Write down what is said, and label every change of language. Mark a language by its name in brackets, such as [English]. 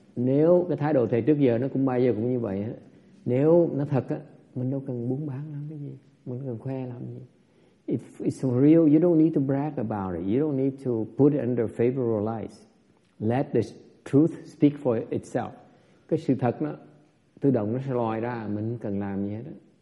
[Vietnamese] Nếu cái thái độ thầy trước giờ nó cũng bao giờ cũng như vậy hết. Nếu nó thật á, mình đâu cần buôn bán làm cái gì, mình cần khoe làm gì. [English] If it's real, you don't need to brag about it. You don't need to put it under favorable lights. Let the truth speak for itself. [Vietnamese] Cái sự thật nó tự động nó sẽ lòi ra, mình cần làm gì hết á.